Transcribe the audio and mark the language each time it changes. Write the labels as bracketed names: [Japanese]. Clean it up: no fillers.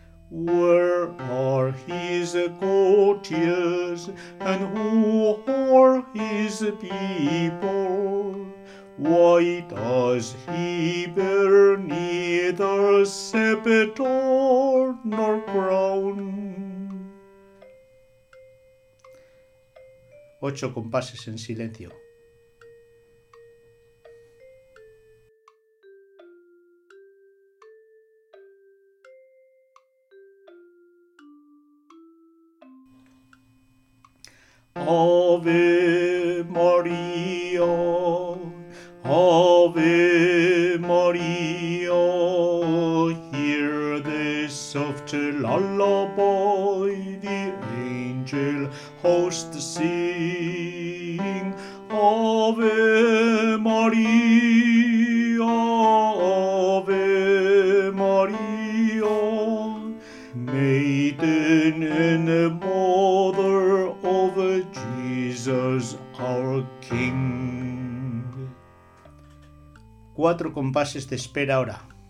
[English] Where are his courtiers, and who are his people? Why does he bear neither scepter nor crown? [Spanish] Ocho compases en silencio. [English] Ave Maria, Ave Maria, hear the soft lullaby the angel hosts sing. Ave Maria, Ave Maria, maiden and mother of Jesus our King. [Spanish] Cuatro compases de espera ahora.